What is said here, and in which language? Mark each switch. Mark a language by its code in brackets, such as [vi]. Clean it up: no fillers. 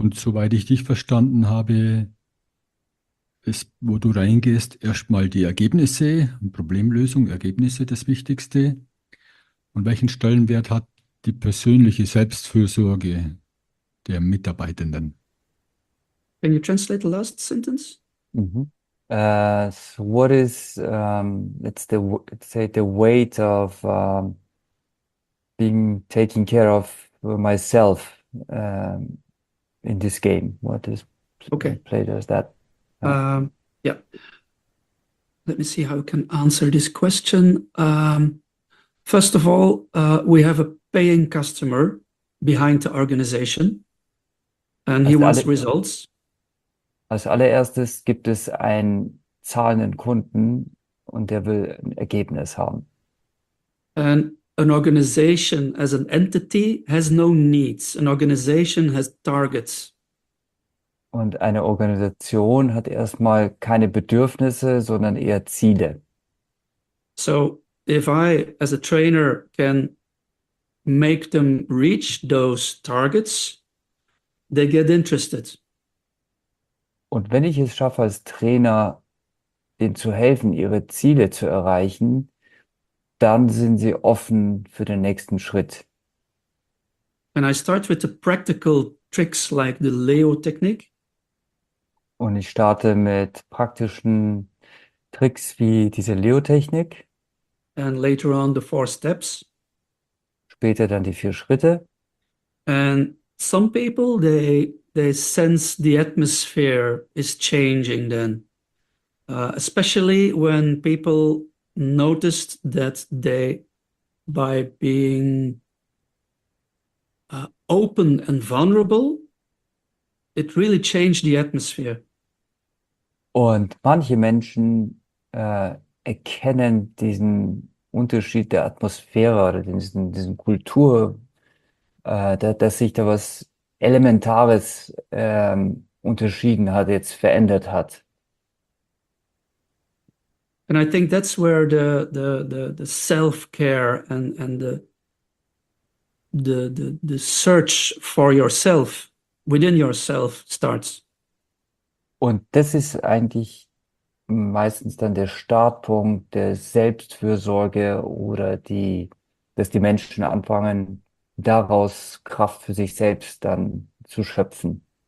[de] Und soweit ich dich verstanden habe, ist, wo du reingehst, erstmal die Ergebnisse, Problemlösung, Ergebnisse das Wichtigste. Und welchen Stellenwert hat die persönliche Selbstfürsorge der Mitarbeitenden? [en] Can you translate the last sentence? Mm-hmm. So what is the weight of being taking care of myself in this game? What is okay? Play does that? Let me see how I can answer this question. First of all, we have a paying customer behind the organization, and he wants results. [de] Als allererstes gibt es einen zahlenden Kunden und der will ein Ergebnis haben. [en] And an organization as an entity has no needs. An organization has targets. [de] Und eine Organisation hat erstmal keine Bedürfnisse, sondern eher Ziele. [en] So if I as a trainer can make them reach those targets, they get interested. [de] Und wenn ich es schaffe, als Trainer, denen zu helfen, ihre Ziele zu erreichen, dann sind sie offen für den nächsten Schritt. [en] And I start with the practical tricks like the Leo Technik. [de] Und ich starte mit praktischen Tricks wie diese Leo Technik. [en] And later on the four steps. [de] Später dann die vier Schritte. [en] And some people, they sense the atmosphere is changing then, especially when people noticed that they, by being open and vulnerable, it really changed the atmosphere. [de] Und manche Menschen erkennen diesen Unterschied der Atmosphäre oder diesen Kultur, dass sich da was Elementares unterschieden hat, jetzt verändert hat. [en] And I think that's where the self-care and the search for yourself within yourself starts. [de] Und das ist eigentlich meistens dann der Startpunkt der Selbstfürsorge oder dass die Menschen anfangen, daraus Kraft für sich selbst dann zu schöpfen.